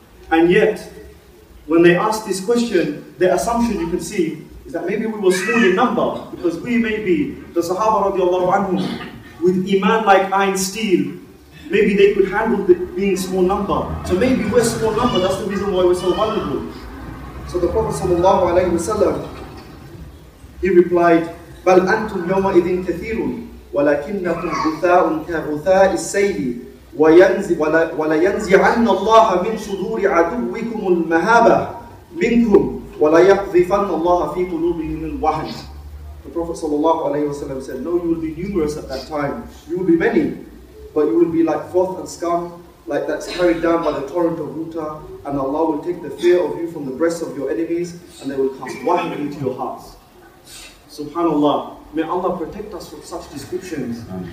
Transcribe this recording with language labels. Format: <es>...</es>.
<en>And yet, when they ask this question, the assumption you can see is that maybe we were small in number, because we may be the Sahaba radiallahu anhum, with iman like iron steel, maybe they could handle the being small number. So maybe we're small number, that's the reason why we're so vulnerable. So the Prophet sallallahu alayhi wa sallam, he replied,</en> <ar>بَلْ أَنْتُمْ يَوْمَ إِذٍ كَثِيرٌ وَلَكِنَّكُمْ غُثَاءٌ كَغُثَاءِ السَّيْلِ وَلَيَنْزِعَنَّ اللَّهَ مِنْ صُدُورِ عَدُوِّكُمُ الْمَهَابَةِ مِنْكُمْ وَلَيَقْذِفَنَّ اللَّهَ فِي قُلُوبِهِمُ الْوَحْنِ.</ar> <en>The Prophet sallallahu alayhi wa sallam said, no, you will be numerous at that time. You will be many, but you will be like froth and scum, like that's carried down by the torrent of water, and Allah will take the fear of you from the breasts of your enemies, and they will cast wahn into your hearts. Subhanallah, may Allah protect us from such descriptions.</en>